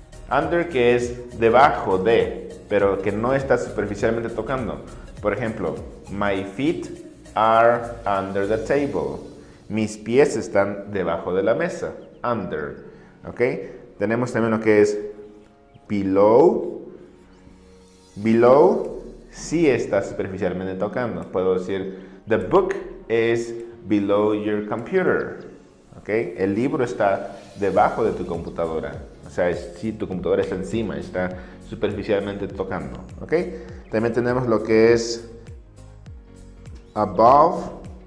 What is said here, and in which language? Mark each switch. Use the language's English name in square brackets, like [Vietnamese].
[Spanish] Under que es debajo de, pero que no está superficialmente tocando. Por ejemplo, [English] my feet are under the table. [Spanish] Mis pies están debajo de la mesa, under, ¿ok? Tenemos también lo que es below. Below sí está superficialmente tocando. Puedo decir [English] the book is below your computer, ¿ok? [Spanish] El libro está debajo de tu computadora. O sea, si tu computadora está encima, está superficialmente tocando, ¿ok? También tenemos lo que es above.